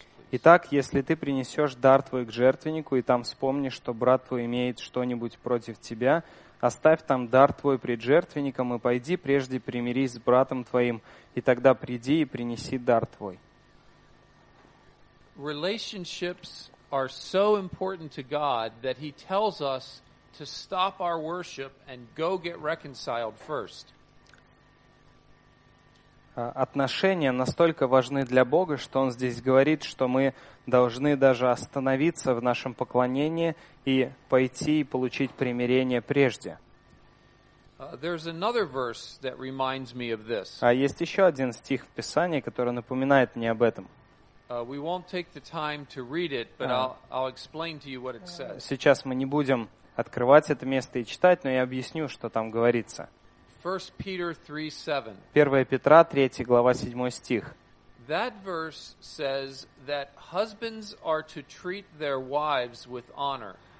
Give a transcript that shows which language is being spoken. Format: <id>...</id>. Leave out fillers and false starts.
<ru>Итак, если ты принесешь дар твой к жертвеннику, и там вспомнишь, что брат твой имеет что-нибудь против тебя, оставь там дар твой пред жертвенником, и пойди прежде примирись с братом твоим, и тогда приди и принеси дар твой.</ru> <en>Relationships are so important to God that He tells us to stop our worship and go get reconciled first.</en> <ru>отношения настолько важны для Бога, что Он здесь говорит, что мы должны даже остановиться в нашем поклонении и пойти и получить примирение прежде.</ru> <en>There's another verse that reminds me of this.</en> <ru>А есть еще один стих в Писании, который напоминает мне об этом.</ru> <en>We won't take the time to read it, but I'll explain to you what it says.</en> <ru>Сейчас мы не будем открывать это место и читать, но я объясню, что там говорится.</ru> <en>1 Peter 3:7.</en> <ru>1 Петра 3 глава 7 стих.</ru> <en>That verse says that husbands are to treat their wives with honor.</en>